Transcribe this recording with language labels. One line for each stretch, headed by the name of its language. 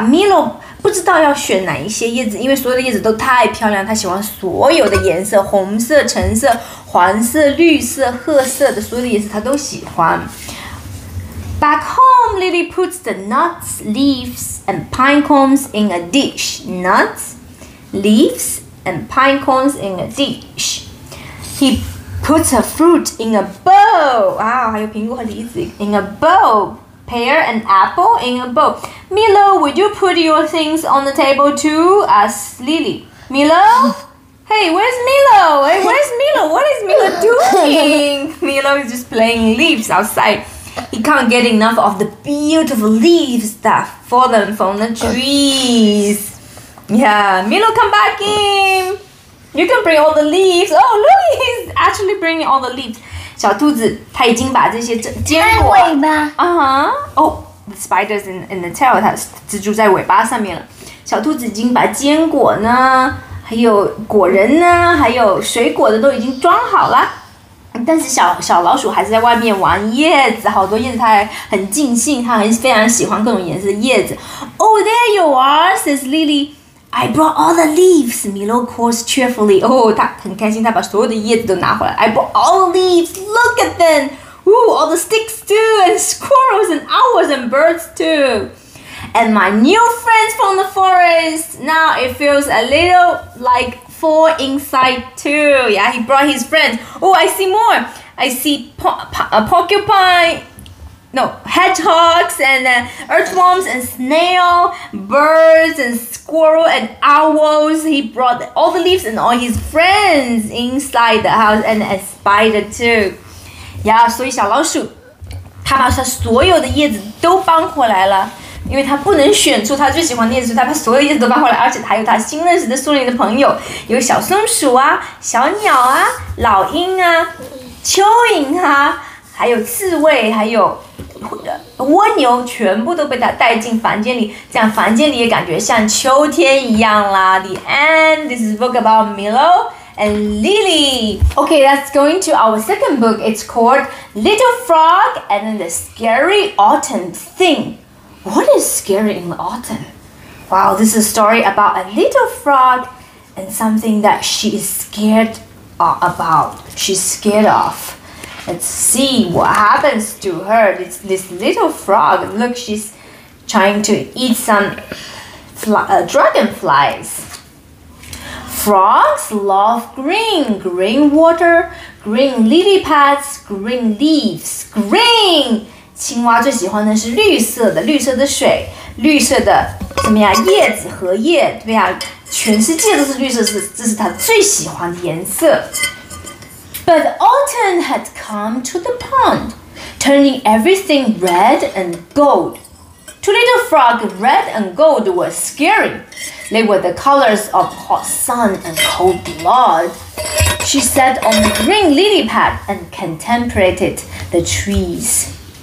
Chinese: Milo 不知道要选哪一些叶子，因为所有的叶子都太漂亮，他喜欢所有的颜色，红色、橙色、黄色、绿色、褐色的所有的颜色他都喜欢。
English: Back home, Lily puts the nuts, leaves, and pine cones in a dish. Nuts, leaves, and pine cones in a dish. He puts a fruit in a bowl. Wow,
Chinese: 还有苹果和梨子
English: in a bowl. Pear and apple in a bowl. Milo, would you put your things on the table too? Asks Lily. Milo? Hey, where's Milo? Hey, where's Milo? What is Milo doing? Milo is just playing leaves outside. He can't get enough of the beautiful leaves that fallen from the trees. Yeah, Milo, come back in. You can bring all the leaves. Oh, look, he's actually bringing all the leaves.
Chinese: 小兔子他已经把这些坚果。在尾巴。
English: Uh-huh. Oh, the spider's in the tail.
Chinese: 它蜘蛛在尾巴上面了。小兔子已经把坚果呢，还有果仁呢，还有水果的都已经装好了。但是小老鼠还是在外面玩叶子，好多叶子，它还很尽兴，它很非常喜欢各种颜色的叶子。
English: Oh, there you are, says Lily. I brought all the leaves, Milo calls cheerfully. Oh,
Chinese: 它很开心，它把所有的叶子都拿回来。
English: I brought all the leaves, look at them. Ooh, all the sticks too, and squirrels, and owls, and birds too. And my new friends from the forest. Now it feels a little like... Four inside too. Yeah, he brought his friends. Oh, I see more. I see porcupine, no, hedgehogs and earthworms and snail, birds and squirrel and owls. He brought all the leaves and all his friends inside the house and a spider too.
Chinese: Yeah, 所以小老鼠，他把他所有的叶子都搬回来了。因为他不能选出他最喜欢的叶子，他把所有叶子都搬回来，而且还有他新认识的树林的朋友，有小松鼠啊、小鸟啊、老鹰啊、蚯蚓啊，还有刺猬，还有蜗牛，全部都被他带进房间里，这样房间里也感觉像秋天一样啦。
English: The end. This is a book about Milo and Lily. Okay, that's going to our second book. It's called Little Frog and the Scary Autumn Thing. What is scary in the autumn? Wow, this is a story about a little frog and something that she is scared about. She's scared of. Let's see what happens to her. This little frog, look, she's trying to eat some dragonflies. Frogs love green, green water, green lily pads, green leaves, green!
Chinese: 青蛙最喜欢的是绿色的，绿色的水，绿色的什么呀？叶子和叶，对呀，全世界都是绿色，这是它最喜欢的颜色。
English: But autumn had come to the pond, turning everything red and gold. Two little frogs, red and gold, were scary. They were the colors of hot sun and cold blood. She sat on the green lily pad and contemplated the trees.